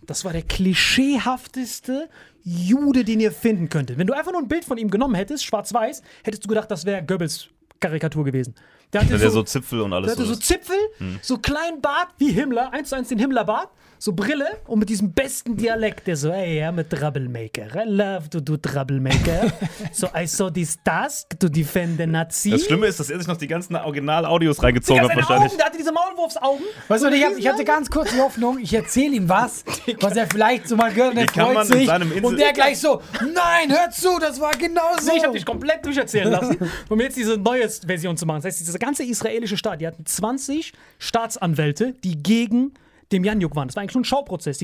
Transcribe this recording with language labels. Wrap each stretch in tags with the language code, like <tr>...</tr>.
<de>Das war der klischeehafteste Jude, den ihr finden könntet. Wenn du einfach nur ein Bild von ihm genommen hättest, schwarz-weiß, hättest du gedacht, das wäre Goebbels Karikatur gewesen. Der hatte so Zipfel und alles. Der hatte so Zipfel, so klein Bart wie Himmler, 1:1 den Himmlerbart, so Brille und mit diesem besten Dialekt, der so,</de> <en>hey, I'm a troublemaker, I love to do troublemaker. So, I saw this task to defend the Nazi.</en> <de>Das Schlimme ist, dass er sich noch die ganzen Original-Audios reingezogen hat wahrscheinlich. Augen, der hatte diese Maulwurfsaugen. Weißt du, ich hatte ganz kurz die Hoffnung, ich erzähle ihm was, was er vielleicht so mal gehört, der freut sich. Und der gleich so, nein, hör zu, das war genau so. Nee, ich hab dich komplett durcherzählen lassen, um jetzt diese neue Version zu machen. Das heißt, dieser ganze israelische Staat, die hatten 20 Staatsanwälte, die gegen dem Janjuk waren. Das war eigentlich schon ein Schauprozess.</de>